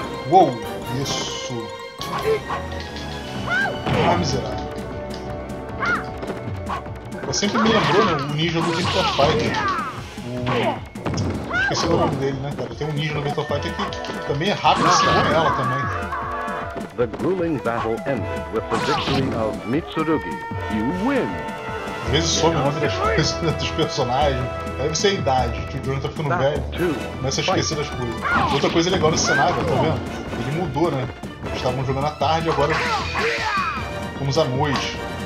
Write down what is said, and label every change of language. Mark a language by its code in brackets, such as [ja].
[pt] Uou, isso. Ah, miserável. Eu sempre me lembrou, né, o ninja do Virtua Fighter. Esqueci o nome dele, né, cara. Tem um ninja no Virtua Fighter que também é rápido assim como ela também. [en] The grueling battle ended with the victory of Mitsurugi. You win. [pt] Às vezes some o nome das coisas, dos personagens. Deve ser a idade, que o Jordan tá ficando velho. Começa a esquecer das coisas. Outra coisa legal nesse cenário, tá vendo? Ele mudou, né? Estavam jogando à tarde, agora vamos à noite.